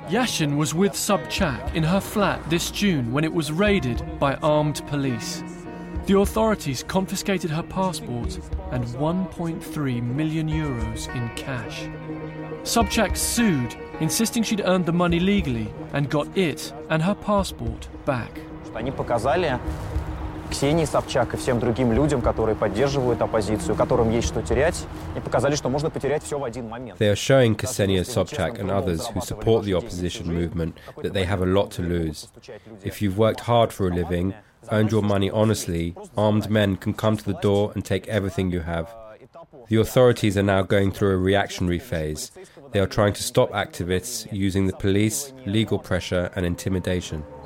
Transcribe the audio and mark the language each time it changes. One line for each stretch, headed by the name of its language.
English: Yashin was with Sobchak in her flat this June when it was raided by armed police. The authorities confiscated her passport and 1.3 million euros in cash. Sobchak sued, insisting she'd earned the money legally and got it and her passport back.
Russian: Они показали Ксении Собчак и всем другим людям, которые поддерживают оппозицию, которым есть что терять, и показали, что можно потерять все в один момент.
English: They are showing Ksenia Sobchak and others who support the opposition movement that they have a lot to lose. If you've worked hard for a living, earned your money honestly, armed men can come to the door and take everything you have. The authorities are now going through a reactionary phase. They are trying to stop activists using the police, legal pressure and intimidation.